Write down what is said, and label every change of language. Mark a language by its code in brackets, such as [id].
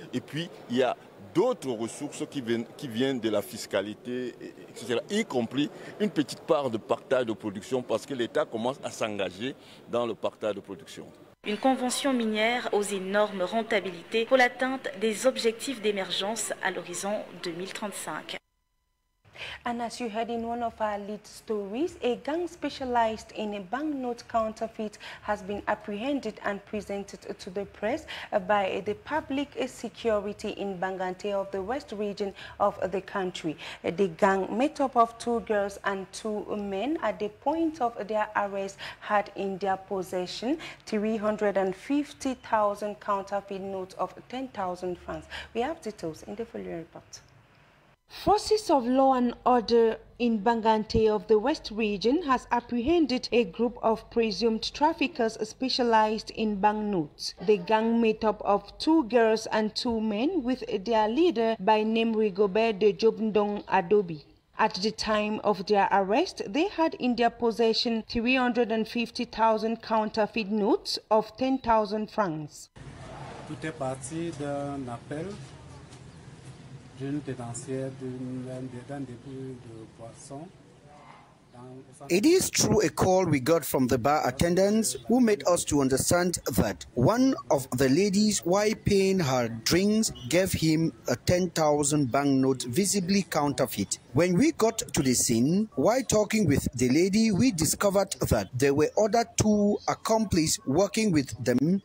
[fr] Et puis, il y a d'autres ressources qui viennent de la fiscalité, etc. Y compris une petite part de partage de production, parce que l'État commence à s'engager dans le partage de production. Une convention minière aux énormes rentabilités pour l'atteinte des objectifs d'émergence à l'horizon 2035. [en] And as you heard in one of our lead stories, a gang specialized in a banknote counterfeit has been apprehended and presented to the press by the public security in Bangante of the west region of the country. The gang, made up of two girls and two men, at the point of their arrest had in their possession 350,000 counterfeit notes of 10,000 francs. We have details in the following report. Forces of law and order in Bangante of the West region has apprehended a group of presumed traffickers specialized in banknotes. The gang, made up of two girls and two men, with their leader by name Rigobert de Jobndong Adobi. At the time of their arrest, they had in their possession 350,000 counterfeit notes of 10,000 francs. [fr] Tout est parti d'un appel d'une tenancière d'un dépôt de poissons. [en] It is through a call we got from the bar attendants who made us to understand that one of the ladies, while paying her drinks, gave him a 10,000 banknote visibly counterfeit. When we got to the scene, while talking with the lady, we discovered that there were other two accomplices working with them.